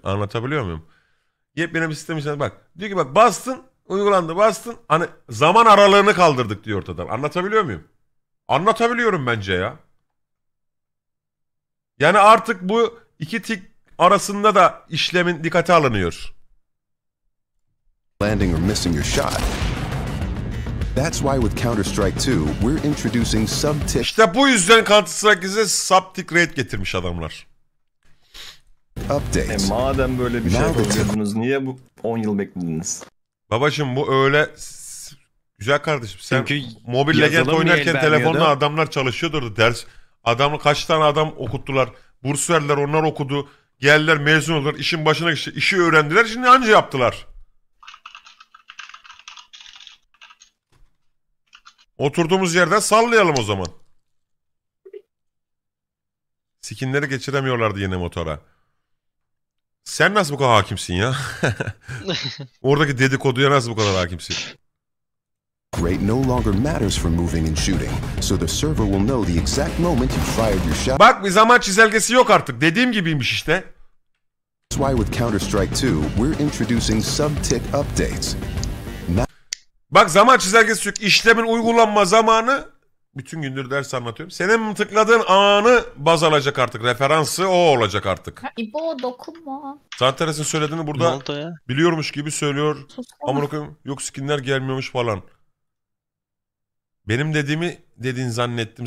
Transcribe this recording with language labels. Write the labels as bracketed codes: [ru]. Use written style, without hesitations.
[tr] Anlatabiliyor muyum? Yepyeni bir sistem inşasında. Bak diyor ki bak bastın. Uygulandı, bastın. Hani zaman aralığını kaldırdık diyor ortadan. Anlatabiliyor muyum? Anlatabiliyorum bence ya. Yani artık bu iki tik arasında da işlemin dikkate alınıyor. [en] Landing or missing your shot. That's why with Counter-Strike 2, we're introducing sub-tick. [tr] İşte bu yüzden Counter-Strike 2'ye sub-tick rate getirmiş adamlar. [en] Update. [tr] Madem böyle bir şey yapıyordunuz, niye bu 10 yıl beklediniz? Babacım bu öyle güzel kardeşim. Sen çünkü Mobile Legend oynarken telefonla adamlar çalışıyordu ders. Adamı kaç tane adam okuttular. Burs verdiler, onlar okudu. Geldiler, mezun oldular. İşin başına geçti. İşi öğrendiler. Şimdi anca yaptılar. Oturduğumuz yerden sallayalım o zaman. Skinleri geçiremiyorlardı yeni motora. Sen nasıl bu kadar hakimsin ya? Oradaki dedikoduya nasıl bu kadar hakimsin? [en] Great no longer matters for moving and shooting. So the server will know the exact moment you fired your shot. [tr] Bak bir zaman çizelgesi yok artık. Dediğim gibiymiş işte. [en] That's why with Counter-Strike 2, we're introducing sub-tick updates. [tr] Bak zaman çizelgesi yok. İşlemin uygulanma zamanı, bütün gündür ders anlatıyorum. Senin tıkladığın anı baz alacak artık. Referansı o olacak artık. Ya İbo dokunma. Santeres'in söylediğini burada biliyormuş gibi söylüyor. Amına koyayım. Yok skinler gelmiyormuş falan. Benim dediğimi dedin zannettim.